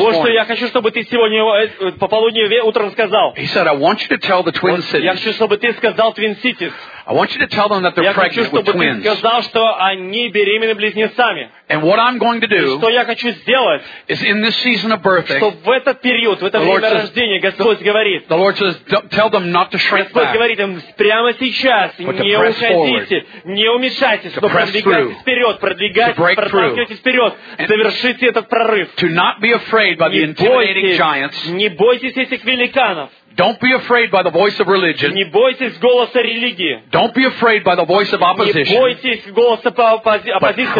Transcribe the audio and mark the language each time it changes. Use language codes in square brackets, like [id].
[en] morning. [ru] Вот что я хочу, чтобы ты сегодня пополудни утром сказал. [en] He said, I want you to tell the Twin Cities. [ru] Я хочу, чтобы ты сказал Twin Cities. [en] I want you to tell them that they're pregnant with twins. [ru] Я хочу, чтобы ты сказал, что они беременны близнецами. [en] And what I'm going to do [ru] что я хочу сделать, [en] is in this season of birthing, [ru] что в этот период, в это время рождения, Господь говорит, [en] the Lord says, tell them not to shrink back. [ru] Господь говорит им прямо сейчас, не уходите, не уменьшайтесь, но продвигайтесь вперед, продвигайтесь вперед, совершите этот прорыв. [en] To not be afraid by the intimidating giants. [ru] Не бойтесь этих великанов. [en] Don't be afraid by the voice of religion. [ru] Не бойтесь голоса религии. [en] Don't be afraid by the voice of opposition. [ru] Не бойтесь голоса оппозиции.